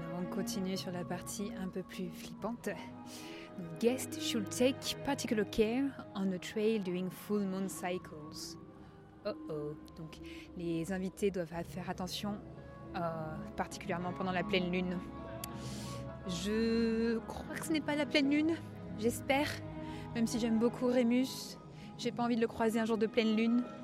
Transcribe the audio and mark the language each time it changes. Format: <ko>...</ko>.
<fr>Continue sur la partie un peu plus flippante.</fr> <en>Guests should take particular care on the trail during full moon cycles.</en> <fr>Oh oh, donc les invités doivent faire attention particulièrement pendant la pleine lune. Je crois que ce n'est pas la pleine lune, j'espère, même si j'aime beaucoup Rémus, j'ai pas envie de le croiser un jour de pleine lune.</fr>